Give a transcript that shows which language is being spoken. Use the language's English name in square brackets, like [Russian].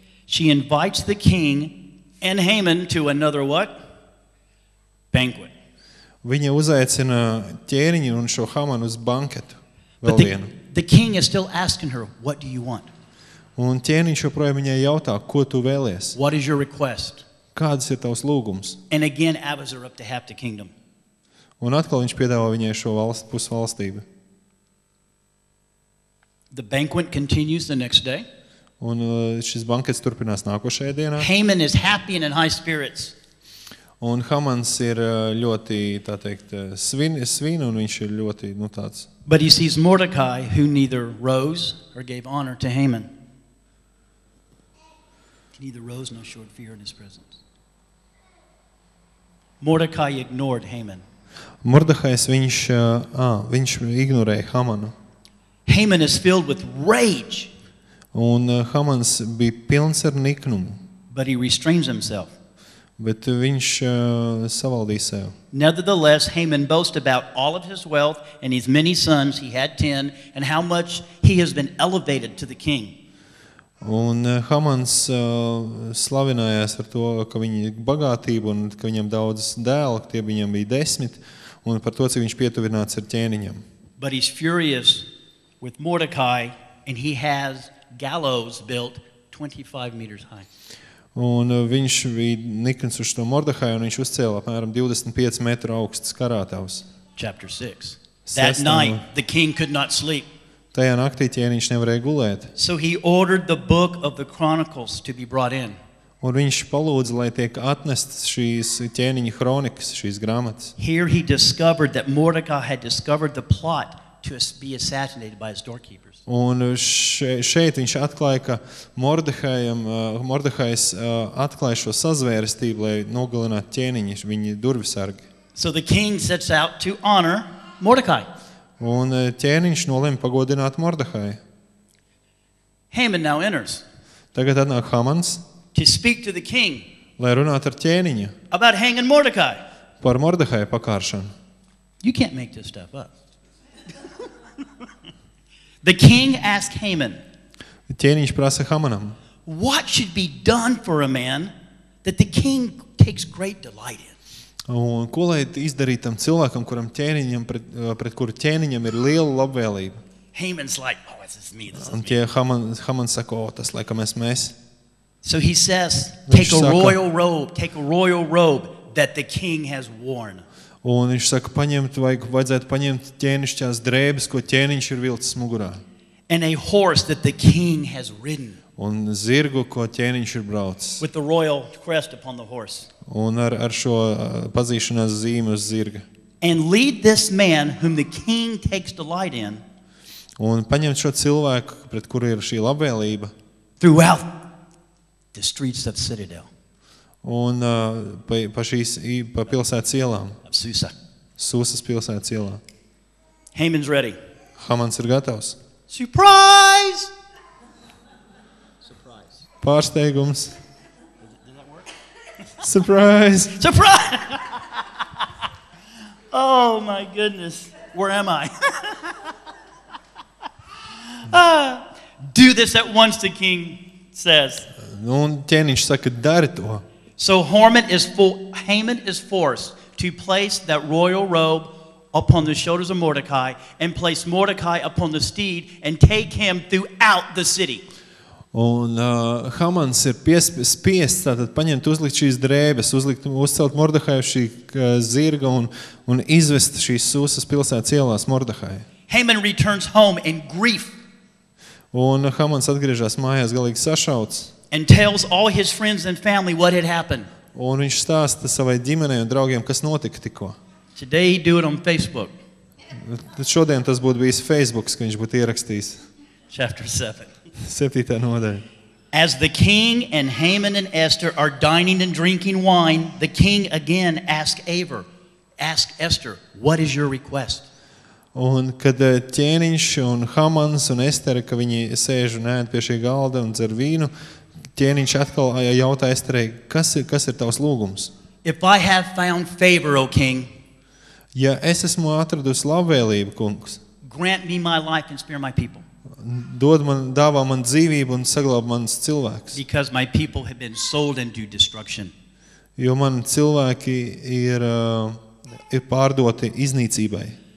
[English] She invites the king and Haman to another what? Banquet. [Latvian] Viņa uzaicina ķēniņu un šo Hamanu uz banketu. Vēl vienu. [English] The king is still asking her, what do you want? [Latvian] Un ķēniņš joprojām viņai jautā, ko tu vēlies? [English] What is your request? [Latvian] Kādas ir tavs lūgums? [English] And again, Abazar up to half the kingdom. [Latvian] Un atkal viņš piedāvā viņai šo pusvalstību. [English] The banquet continues the next day. [Latvian] Un šis bankets turpinās nākošajā dienā. [English] Haman is happy and in high spirits. [Latvian] Un Hamans ir ļoti, tā teikt, svin, un viņš ir ļoti, nu, tāds. [English] But he sees Mordecai, who neither rose or gave honor to Haman. Neither rose nor showed fear in his presence. Mordecai ignored Haman. [Latvian] Mordehais, viņš ignorēja Hamanu. [English] Haman is filled with rage. [Latvian] Un Hamans bija pilns ar niknumu. [English] But he restrains himself. [Latvian] Bet viņš savaldīja sev. [English] Nevertheless, Haman boasts about all of his wealth and his many sons, he had 10, and how much he has been elevated to the king. [Latvian] Un Hamans slavinājās ar to, ka viņa bagātība un ka viņam daudz dēlu, tie viņam bija 10, un par to, cik viņš pietuvināts ar ķēniņam. [English] But he's furious with Mordecai and he has gallows built 25 meters high. [Latvian] Un viņš bija nikns uz to Mordehai, un viņš uzcēla apmēram 25 metru augstas karātavas. [English] Chapter 6. That night the king could not sleep. [Latvian] Tajā naktī ķēniņš nevarēja gulēt. [English] So he ordered the book of the Chronicles to be brought in. [Latvian] Un viņš palūdza, lai tiek atnestas šīs ķēniņa hronikas, šīs grāmatas. [English] Here he discovered that Mordecai had discovered the plot to be assassinated by his doorkeepers. [Latvian] Un šeit viņš atklāja, ka Mordehais atklāja šo sazvērestību, lai nogalinātu ķēniņu, viņa durvisargi. [English] So the king sets out to honor Mordecai. [Latvian] Un ķēniņš nolēma pagodināt Mordehai. [English] Haman now enters. [Latvian] Tagad atnāk Hamans. [English] To speak to the king. [Latvian] lai runātu ar ķēniņu. [English] About hanging Mordecai. [Latvian] Par Mordehaja pakāršanu. [English] You can't make this stuff up. The king asked Haman. [Latvian] Ķēniņš prasa Hamanam. [English] What should be done for a man that the king takes great delight in? [Latvian] Un ko lai izdarītu tam cilvēkam, kuram ķēniņam pret kuru ķēniņam ir liela labvēlība? [English] Haman's like, oh, this is me. [Latvian] Un tie Hamans saka, oh, tas laikam esmu es. [English] So he says, take a royal robe, take a royal robe that the king has worn. [Latvian] Un viņš saka, paņemt, vajadzētu paņemt ķēnišķās drēbes, ko ķēniņš ir vilcis mugurā. [English] And a horse that the king has ridden. [Latvian] Un zirgu, ko ķēniņš ir braucis. [English] With the royal crest upon the horse. [Latvian] Un ar šo pazīšanās zīmi uz zirga. [English] And lead this man whom the king takes delight in. [Latvian] Un paņemt šo cilvēku, pret kuru ir šī labvēlība. [English] Throughout the streets of Citadel. [Latvian] Un pa pilsētas ielām. [English] Susa. [Latvian] Susas pilsētas ielā. [English] Haman's ready. [Latvian] Hamans ir gatavs. [English] Surprise! [Latvian] Pārsteigums. [English] Does that work? Surprise! Surprise! Oh my goodness, where am I? Do this at once, the king says. [Latvian] Un ķēniņš saka, dari to. [English] So Haman is forced to place that royal robe upon the shoulders of Mordecai and place Mordecai upon the steed and take him throughout the city. [Latvian] Un Hamans ir spiests tātad paņemt uzlikt šīs drēbes, uzcelt Mordehaju šī zirga un izvest šīs Sūsas pilsētas ielās Mordehaju. [English] Haman returns home in grief. [Latvian] Un Hamans atgriežas mājās galīgi sašauts. [English] And tells all his friends and family what had happened. [Latvian] Un viņš stāsta savai ģimenei un draugiem, kas notika tikko. [English] Today he do it on Facebook. [Latvian] Šodien tas būtu bijis Facebook, ka viņš būtu ierakstījis. [English] Chapter 7. [Latvian] Septītā nodaļa. [English] As the king and Haman and Esther are dining and drinking wine, the king again asks Esther, what is your request? [Latvian] Un kad ķēniņš un Hamans un Estera, ka viņi sēž un ēd pie šī galda un dzer vīnu, ķēniņš atkal jautā Esterai, kas ir tavs lūgums? [English] If I have found favor, O king, [Latvian] ja es esmu atradusi labvēlību, kungs, [English] grant me my life and spare my people. [Latvian] Dod man, dāvā man dzīvību un saglāb manus cilvēkus. [English] Because my people have been sold into destruction. [Latvian] Jo mani cilvēki ir pārdoti iznīcībai.